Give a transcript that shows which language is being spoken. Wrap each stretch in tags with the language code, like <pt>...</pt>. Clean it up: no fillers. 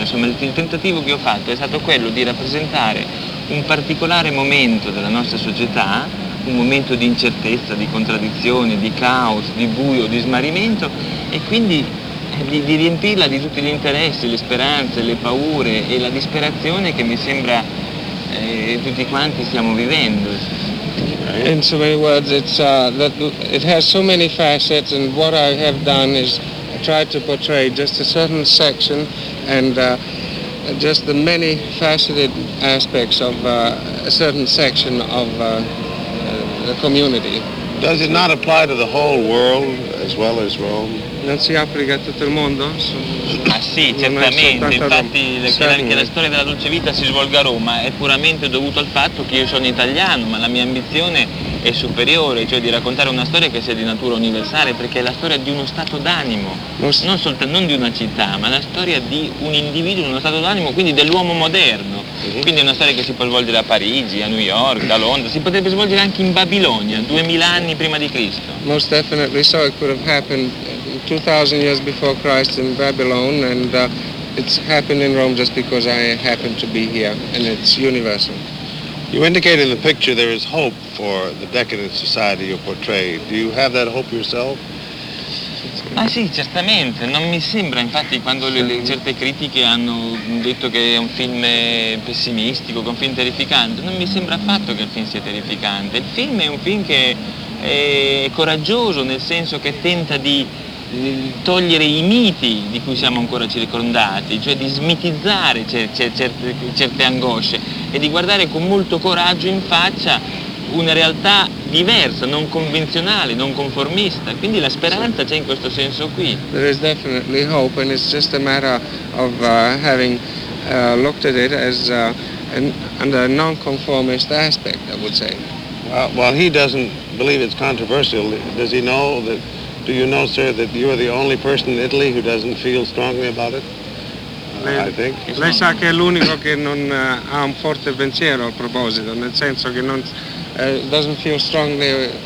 <it>Insomma, il tentativo che ho fatto è stato quello di rappresentare un particolare momento della nostra società, un momento di incertezza, di contraddizione, di caos, di buio, di smarrimento, e quindi di riempirla di tutti gli interessi, le speranze, le paure e la disperazione che mi sembra tutti quanti stiamo vivendo.</it> <en>In so many words, it has so many facets, and what I have done is try to portray just a certain section and just the many faceted aspects of a certain section of the community. Does it not apply to the whole world as well as Rome?</en> <it>Non si applica a tutto il mondo? Ma sì, certamente. Infatti che la storia della Dolce Vita si svolga a Roma è puramente dovuto al fatto che io sono italiano, ma la mia ambizione è superiore, cioè di raccontare una storia che sia di natura universale, perché è la storia di uno stato d'animo, non di una città, ma la storia di un individuo, uno stato d'animo, quindi dell'uomo moderno. Quindi è una storia che si può svolgere a Parigi, a New York, a Londra, si potrebbe svolgere anche in Babilonia, 2000 anni prima di Cristo.</it> <en>Most definitely so, it could have happened 2000 years before Christ in Babylon, and it's happened in Rome just because I happen to be here, and it's universal. You indicate in the picture there is hope for the decadent society you portray. Do you have that hope yourself?</en> <it>Ma sì, certamente. Non mi sembra, infatti, quando certe critiche hanno detto che è un film pessimistico, che è un film terrificante, non mi sembra affatto che il film sia terrificante. Il film è un film che è coraggioso, nel senso che tenta di togliere i miti di cui siamo ancora circondati, cioè di smitizzare certe angosce, e di guardare con molto coraggio in faccia una realtà diversa, non convenzionale, non conformista. Quindi la speranza c'è in questo senso qui.</it> <en>There is definitely hope, and it's just a matter of having looked at it as under a non-conformist aspect, I would say. Well, he doesn't believe it's controversial. Does he know that? Do you know, sir, that you are the only person in Italy who doesn't feel strongly about it?</en> <it>Lei sa che è l'unico che non ha un forte pensiero a proposito, nel senso che non</it> <en>doesn't feel strongly</en>